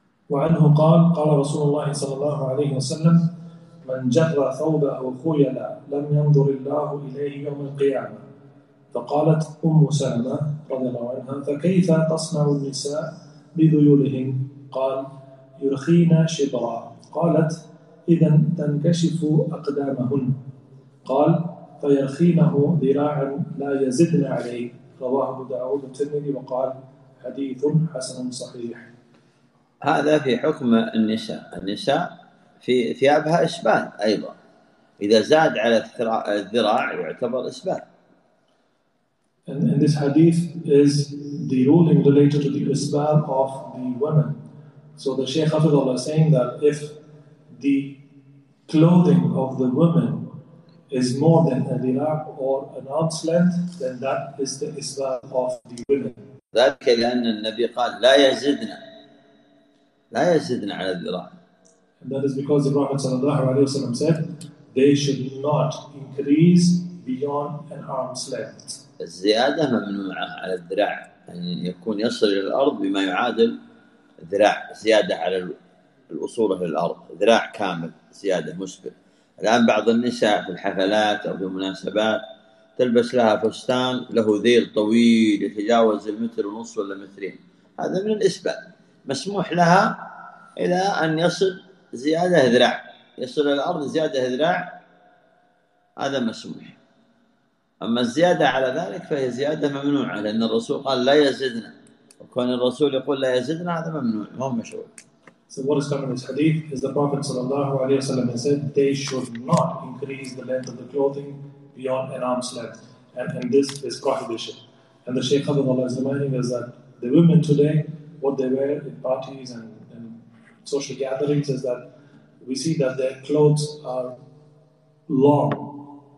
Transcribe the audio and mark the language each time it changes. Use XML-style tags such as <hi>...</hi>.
<ar>وعنه قال قال رسول الله صلى الله عليه وسلم من جر ثوبه خيلا لم ينظر الله إليه يوم القيامة فقالت أم سلمة رضي الله عنها فكيف تصنع النساء بذيولهن قال يرخين شبرا قالت إذا تنكشف أقدامهن قال فيرخينه ذراعا لا يزدن عليه رواه أبو داود الترمذي وقال حديث حسن صحيح. هذا في حكم النساء، النساء في ثيابها إشبال أيضا، إذا زاد على الذراع يعتبر إشبال.</ar> <en>And this hadith is the ruling related to the isbal of the women. So the Shaykh Hafidhullah is saying that if the clothing of the woman is more than a dirah or an arm's length, then that is the isbal of the women.</en> <ar>ذلك لأن النبي قال لا يزدنا لا يزدنا على الذراع.</ar> <en>That is because the Prophet صلى الله عليه وسلم said they should not increase beyond an arm's length.</en> <ar>الزيادة ممنوعة على الذراع، أن يعني يكون يصل إلى الأرض بما يعادل ذراع، زيادة على الأصول إلى الأرض ذراع كامل زيادة مسبل. الآن بعض النساء في الحفلات أو في المناسبات تلبس لها فستان له ذيل طويل يتجاوز المتر ونصف ولا مترين، هذا من الإسباب مسموح لها إلى أن يصل زيادة ذراع، يصل إلى الأرض زيادة ذراع، هذا مسموح. أما الزيادة على ذلك فهي زيادة ممنوعة، لأن الرسول قال لا يزدنا، وكون الرسول يقول لا يزدنا هذا ممنوع، مو مشروع.</ar> <en>So what is coming in this hadith is the Prophet صلى الله عليه وسلم said they should not increase the length of the clothing beyond an arm's length, and this is prohibition. And the Shaykh Hafidhullah is reminding us that the women today, what they wear in parties and social gatherings, is that we see that their clothes are long.</en>